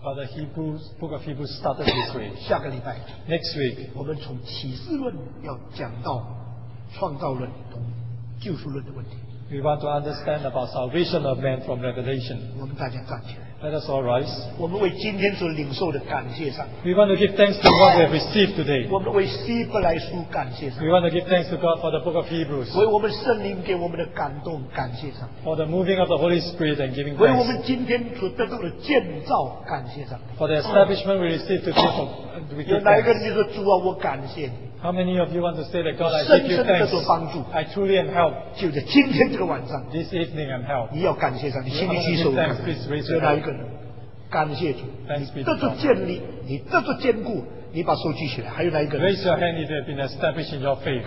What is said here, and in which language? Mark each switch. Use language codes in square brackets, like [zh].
[en] But the Hebrews, book of Hebrews started this way. [zh] 下个礼拜, [en] next week, [zh] 我们从启示论要讲到创造论和救赎论的问题。 [en] We want to understand about salvation of man from revelation. [zh] 我们大家站起来。 [en] Let us all rise. [zh] 我们为今天所领受的感谢上, [en] we want to give thanks to what we have received today. [zh] 我们为希伯来书感谢上, [en] we want to give thanks to God for the book of Hebrews. [zh] 为我们圣灵给我们的感动感谢上, [en] for the moving of the Holy Spirit and giving thanks. [zh] 为我们今天所得到的建造感谢上, [en] for the establishment we received today. So we give thanks. [zh] 有哪一个人就说主啊, 我感谢你。 [en] How many of you want to say that God, I give you thanks? I truly am helped. [zh] 就在今天这个晚上, [en] this evening I'm helped. [zh] 你要感谢上, 你心里起手的感谢, [en] please raise your hand. [zh] 感谢主, [en] thanks be to God. [zh] 得着建立, 你得着坚固, 你把手举起来, 还有哪一个? [en] Raise your hand if you have been established in your faith.